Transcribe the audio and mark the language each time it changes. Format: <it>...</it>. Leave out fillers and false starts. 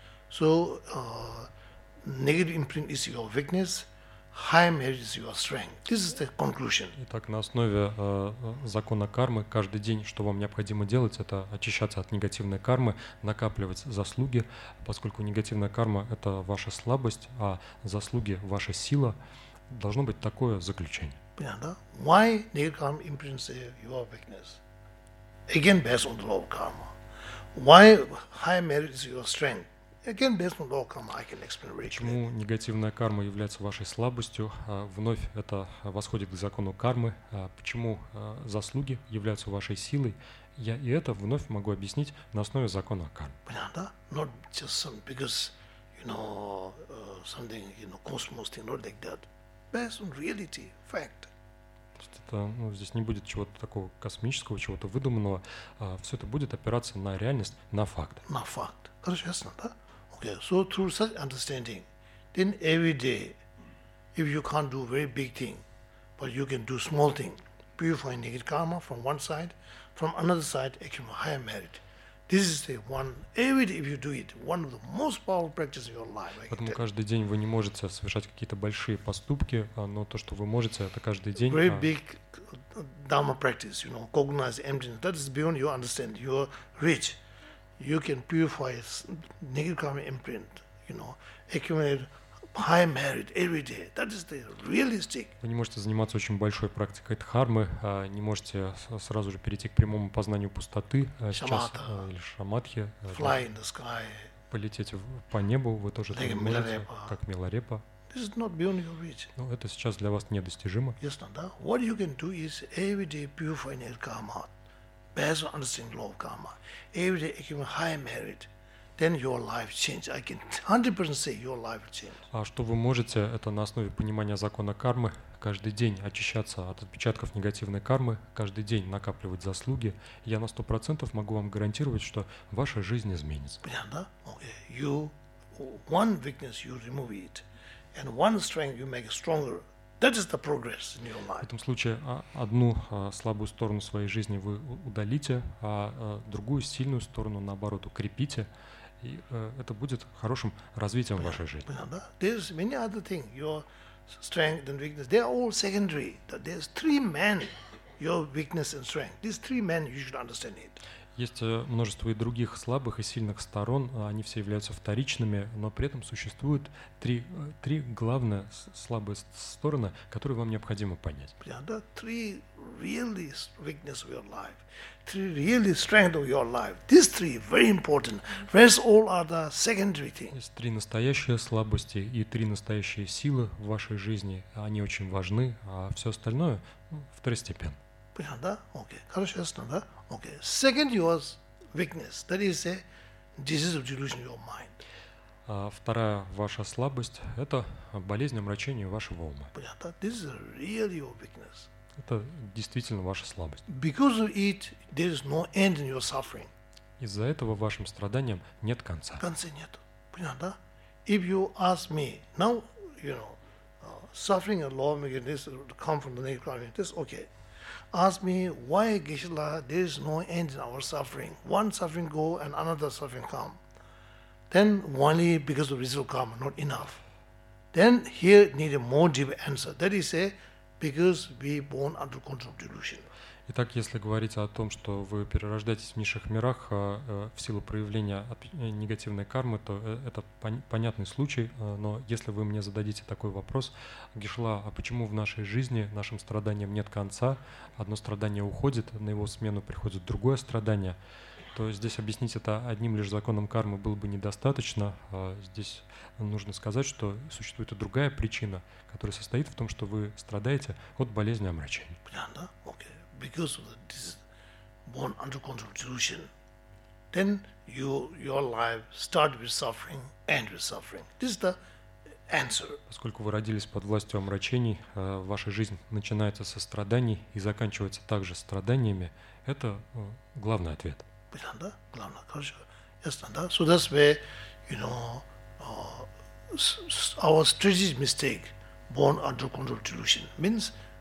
<en>So negative imprint is your weakness, high merit is your strength. This is the conclusion.</en> <ru>Итак, на основе закона кармы каждый день, что вам необходимо делать, это очищаться от негативной кармы, накапливать заслуги, поскольку негативная карма – это ваша слабость, а заслуги – ваша сила. Должно быть такое заключение. Понятно?</ru> <en>Why nirkama imprints your weakness? Again, based on the law of karma. Why high merit is your strength? Again, based on the law of karma, I can explain it.</en> <ru>Почему негативная карма является вашей слабостью? Вновь это восходит к закону кармы. Почему заслуги являются вашей силой? Я и это вновь могу объяснить на основе закона кармы. Понятно?</ru> <en>Not just some, because, you know, something, you know, cosmos thing, not like that. Based on reality, fact.</en> <ru>есть это, ну, здесь не будет чего-то такого космического, чего-то выдуманного. Все это будет опираться на реальность, на факт. На факт. Хорошо, ясно, да?</ru> <en>Okay, so through such understanding, then every day, if you can't do very big thing, but you can do small thing, purifying negative karma from one side, from another side, achieve higher merit. This is the one. Every day, if you do it, one of the most powerful practices in your life.</en> <ru>Поэтому каждый день вы не можете совершать какие-то большие поступки, но то, что вы можете, это каждый день.</ru> <en>Very big dharma practice, you know, cognize emptiness. That is beyond your understanding. You are rich. You can purify negative karma imprint, you know, accumulate high merit every day. That is the realistic.</en> <ru>Вы не можете заниматься очень большой практикой дхармы, не можете сразу же перейти к прямому познанию пустоты, сейчас, или шамадхи,</ru> <en>fly in the sky.</en> <ru>Полететь по небу, вы тоже</ru> <en>like</en> <ru>так можете, как миларепа.</ru> <en>This is not beyond your reach.</en> <ru>Но это сейчас для вас недостижимо.</ru> <en>Yes, no,</en> <ru>да?</ru> <en>What you can do is every day purify negative karma. Best understanding law of karma. Every day accumulate high merit, then your life changes. I can 100% say your life changes.</en> <ru>А что вы можете? Это на основе понимания закона кармы каждый день очищаться от отпечатков негативной кармы, каждый день накапливать заслуги. Я на 100% могу вам гарантировать, что ваша жизнь изменится. Понятно, да?</ru> <en>Okay. You one weakness you remove it, and one strength you make stronger. That is the progress in your life.</en> <ru>В этом случае одну слабую сторону своей жизни вы удалите, а другую сильную сторону, наоборот, укрепите, и это будет хорошим развитием понятно, вашей жизни. Понятно, да?</ru> <en>There is many other things. Your strength and weakness, they are all secondary. There's three men, your weakness and strength. These three men, you should understand it.</en> <ru>Есть множество и других слабых и сильных сторон, они все являются вторичными, но при этом существуют три главные слабые стороны, которые вам необходимо понять. Три</ru> <en>really weakness of your life, three really strength of your life. These three very important. Rest all other secondary things.</en> <ru>Есть три настоящие слабости и три настоящие силы в вашей жизни, они очень важны, а все остальное второстепенно. Понятно, да? Окей. Хорошо, ясно, да? Окей.</ru> <en>Second yours weakness, that is a disease of delusion of your mind.</en> <ru>Вторая ваша слабость – это болезнь омрачения вашего ума. Понятно, да?</ru> <en>This is really your weakness.</en> <ru>Это действительно ваша слабость.</ru> <en>Because of it, there is no end in your suffering.</en> <ru>Из-за этого вашим страданиям нет конца. Конца нет. Понятно, да?</ru> <en>If you ask me, now, you know, suffering and law making this come from the negative karma, this okay. Ask me why, Geshe-la, there is no end in our suffering. One suffering go and another suffering come. Then only because of result karma, not enough. Then here need a more deep answer. That is say, because we born under control of delusion.</en> <ru>Итак, если говорить о том, что вы перерождаетесь в низших мирах в силу проявления негативной кармы, то это понятный случай, но если вы мне зададите такой вопрос, Гишла, а почему в нашей жизни нашим страданиям нет конца, одно страдание уходит, на его смену приходит другое страдание, то здесь объяснить это одним лишь законом кармы было бы недостаточно. Здесь нужно сказать, что существует и другая причина, которая состоит в том, что вы страдаете от болезни омрачения. Понятно, да? Окей.</ru> <en>Because of this born under control of delusion, then your life start with suffering, end with suffering. This is the answer.</en> <ru>Поскольку вы родились под властью омрачений, ваша жизнь начинается со страданий и заканчивается также страданиями. Это главный ответ. Понятно, да? Главное, хорошо. Ясно, да?</ru> <en>So that's where, you know, our strategic mistake, born under control of delusion, means.</en>